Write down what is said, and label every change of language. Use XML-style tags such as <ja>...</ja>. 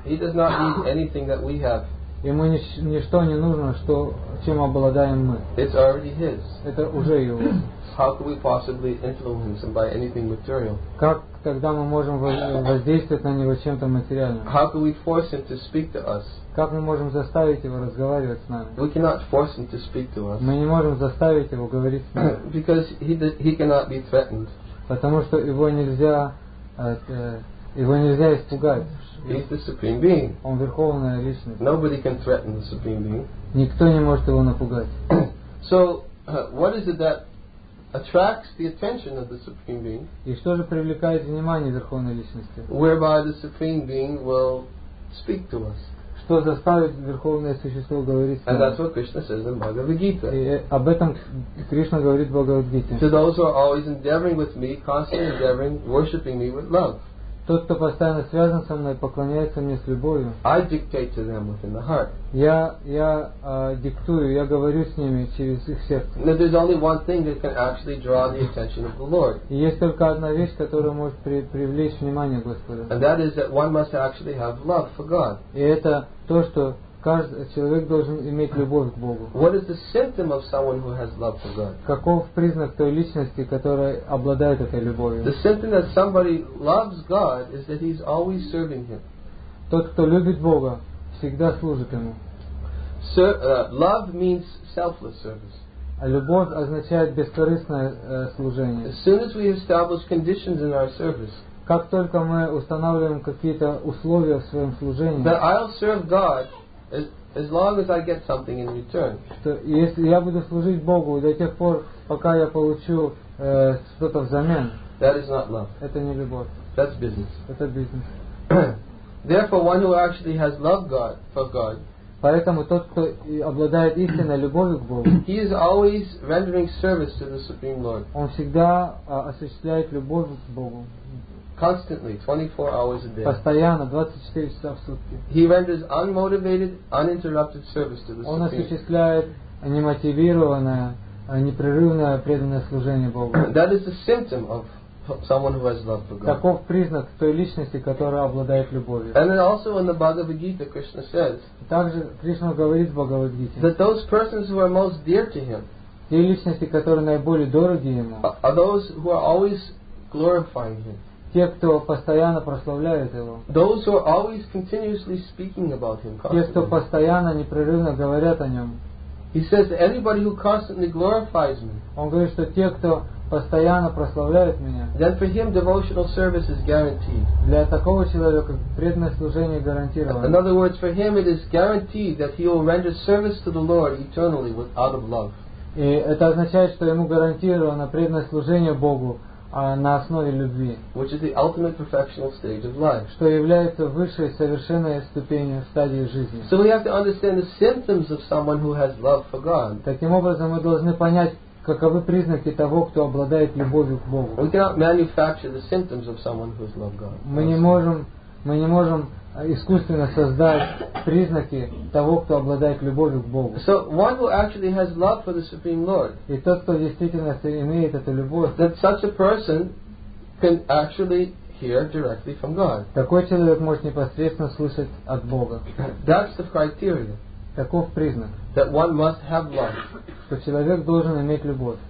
<en>He does not need anything that we have.</en> <ru>Ему ничто не нужно, что чем обладаем мы.</ru> <en>It's already his.</en> <ru>Это уже его.</ru> <en>How could we possibly influence him by anything material?</en> <ru>Как тогда мы можем воздействовать на него чем-то материальным?</ru> <en>How could we force him to speak to us?</en> <ru>Как мы можем заставить его разговаривать с нами?</ru> <en>We cannot force him to speak to us.</en> <ru>Мы не можем заставить его говорить с нами.</ru> <en>Because he cannot be threatened.</en> <ru>Потому что его нельзя испугать.</ru> <en>He's the supreme being.</en> <ru>Он верховная личность.</ru> <en>Nobody can threaten the supreme being.</en> <ru>Никто не может его напугать.</ru> <en>So, what is it that attracts the attention of the supreme being?</en> <ru>И что же привлекает внимание верховной личности?</ru> <en>Whereby the supreme being will speak to us.</en> <ru>Что заставит верховное существо говорить с нами?</ru> <en>And that's what Krishna says in Bhagavad Gita.</en> <ru>И об этом Кришна говорит в Бхагавад Гите.</ru> <en>To those who are always endeavoring with me, constantly endeavoring, worshipping me with love.</en> <ru>Тот, кто постоянно связан со мной, поклоняется мне с любовью.</ru> <en>I dictate to them within the heart.</en> <ru>Я диктую, я говорю с ними через их сердце.</ru> <en>Now there's only one thing that can actually draw the attention of the Lord.</en> <ru>И есть только одна вещь, которая может привлечь внимание Господа.</ru> <en>And that is that one must actually have love for God.</en> <ru>И это то, что каждый человек должен иметь любовь к Богу.</ru> <en>What is the symptom of someone who has love for God?</en> <ru>Каков признак той личности, которая обладает этой любовью?</ru> <en>The symptom that somebody loves God is that he's always serving him.</en> <ru>Тот, кто любит Бога, всегда служит ему.</ru> <en>Love means selfless service.</en> <ru>А любовь означает бескорыстное служение.</ru> <en>As soon as we establish conditions in our service,</en> <ru>как только мы устанавливаем какие-то условия в своем служении,</ru> <en>that I'll serve God as long as I get something in return.</en> <ru>Что если я буду служить Богу до тех пор, пока я получу что-то взамен.</ru> <en>That is not love.</en> <ru>Это не любовь.</ru> <en>That's business.</en> <ru>Это бизнес.</ru> <en>Therefore, one who actually has loved God for God.</en> <ru>Поэтому тот, кто обладает истинной любовью к Богу.</ru> <en>He is always rendering service to the Supreme Lord.</en> <ru>Он всегда осуществляет любовь к Богу.</ru> <en>Constantly, 24 hours a day.</en> <ru>Постоянно, 24 часа в сутки.</ru> <en>He renders unmotivated, uninterrupted service to the Supreme.</en> <ru>Он осуществляет немотивированное, непрерывное преданное служение Богу.</ru> <en>That is a symptom of someone who has love for God.</en> <ru>Таков признак той личности, которая обладает любовью.</ru> <en>And then also in the Bhagavad Gita, Krishna says.</en> <ru>Также Кришна говорит в Бхагавад Гите.</ru> <en>That those persons who are most dear to him.</en> <ru>Те личности, которые наиболее дороги ему.</ru> <en>Are those who are always glorifying him.</en> <ru>Те, кто постоянно прославляют Его.</ru> <en>Those who are always continuously speaking about Him constantly.</en> <ru>Те, кто постоянно, непрерывно говорят о Нем.</ru> <en>He says, anybody who constantly glorifies me.</en> <ru>Он говорит, что те, кто постоянно прославляют меня.</ru> <en>Then for him, devotional service is guaranteed.</en> <ru>Для такого человека преданное служение гарантировано.</ru> <en>In other words, for him, it is guaranteed that he will render service to the Lord eternally with out of love.</en> <ru>И это означает, что ему гарантировано преданное служение Богу на основе любви.</ru> <en>Which is the ultimate perfectional stage of life.</en> <ru>Что является высшей совершенной ступенью стадии жизни.</ru> <en>So we have to understand the symptoms of someone who has love for God.</en> <ru>Таким образом, мы должны понять, каковы признаки того, кто обладает любовью к Богу.</ru> <en>We cannot manufacture the symptoms of someone who has loved God.</en> <ru>Мы не можем искусственно создать признаки того, кто обладает любовью к Богу.</ru> <en>So one who actually has love for the Supreme Lord.</en> <ru>И тот, кто действительно имеет эту любовь.</ru> <en>That such a person can actually hear directly from God.</en> <ru>Такой человек может непосредственно слышать от Бога.</ru> <en>That's the criteria.</en> <ru>Таков признак.</ru> <en>That one must have love.</en> <ru>Что человек должен иметь любовь.</ru>